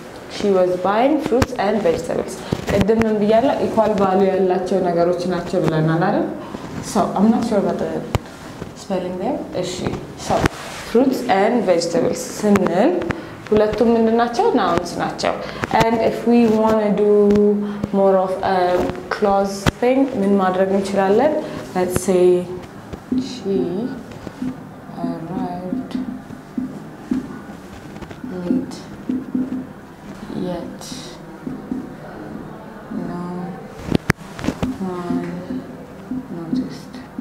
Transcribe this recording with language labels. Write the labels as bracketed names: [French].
[English] She was buying fruits and vegetables. [Amharic] ቅድም ምን ብያለሁ? [English] ኢኳል ቫሉ [Amharic] ያላቸው ነገሮች ናቸው ብለናል አይደል? [English] ሶ አም ኖት ሹር አባት ዘ ስፔሊንግ ዴር። እሺ፣ ሶ ፍሩትስ ኤንድ ቬጀቴብልስ [Amharic] ስንል ሁለቱም እንድናቸው nouns ናቸው. [English] And if we want to do more of a clause thing, [Amharic] ምን ማድረግ እንችላለን? [English] Let's say she arrived late yet no one noticed.